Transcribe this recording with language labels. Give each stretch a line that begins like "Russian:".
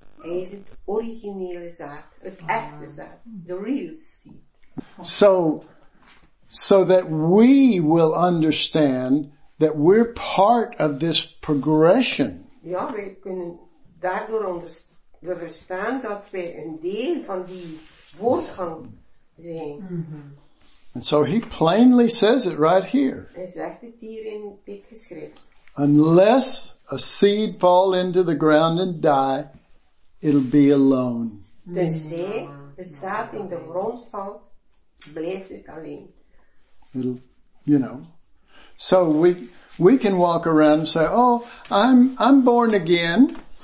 English: He's the original seed, the echte seed, the real seed. So that we will understand that we're part of this progression. Yeah, we can.
Dutch: Daardoor we verstaan dat wij een deel van die voortgang zijn. Mm-hmm.
English: And so he plainly says it right here.
Dutch: Hij zegt het hier in dit geschrift.
English: Unless a seed fall into the ground and die, it'll be alone.
Dutch: Tenzij het zaad in de grond valt, blijft het alleen.
English: It'll, you know. So we can walk around and say, oh, I'm born again.